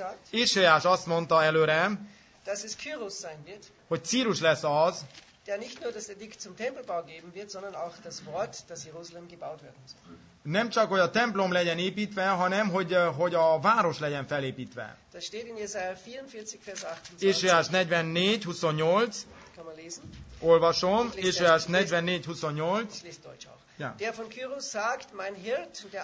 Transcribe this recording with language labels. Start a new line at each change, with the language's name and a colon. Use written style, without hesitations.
Hungarian: Jézsaiás azt mondta előre,
German: dass es Kyrus sein wird,
Hungarian: hogy Círus lesz az,
German: der nicht nur das Edikt zum Tempelbau geben wird, sondern auch das Wort, dass Jerusalem gebaut werden soll.
Hungarian: Nem csak, hogy a templom legyen építve, hanem, hogy a város legyen felépítve.
German: Das steht in Jesaja 44, Vers 28. Jesaja 44, 28. Kann man lesen?
Hungarian: Olvasom. Jesaja 44, 28.
German: Ich lese Deutsch auch. Ja. Der von Kyrus sagt, mein Hirt, der